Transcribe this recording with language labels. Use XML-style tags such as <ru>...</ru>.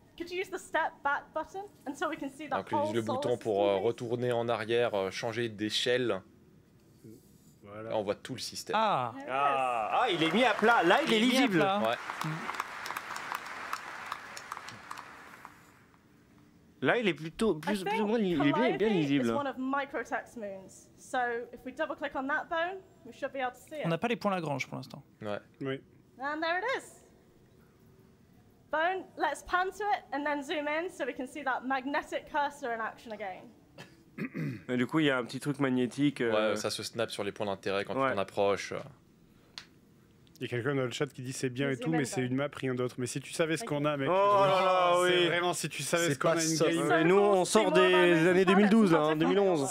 <en>Could you use the step back button until we can see that whole</en> <fr>le bouton pour retourner en arrière, changer d'échelle. Voilà. Là, on voit tout le système. Ah, il est mis à plat. Là, il est lisible. Ouais. Là, il est plutôt plus ou moins il est bien lisible.</fr> <en>So, if we double click on that bone, we should be able to see it.</en> <fr>On n'a pas les points Lagrange pour l'instant. Ouais. Oui.</fr> <en>And there it is. Bone, let's pan to it and then zoom in so we can see that magnetic cursor in action again.</en> <fr>Et du coup, il y a un petit truc magnétique. Ouais, ça se snap sur les points d'intérêt quand on approche. Il y a quelqu'un dans le chat qui dit c'est bien et tout, mais c'est une map, rien d'autre. Mais si tu savais ce qu'on a, mec. Oh là là, oui. C'est vraiment si tu savais ce qu'on a une game. Mais nous, on sort des années 2012, hein, 2011.</fr>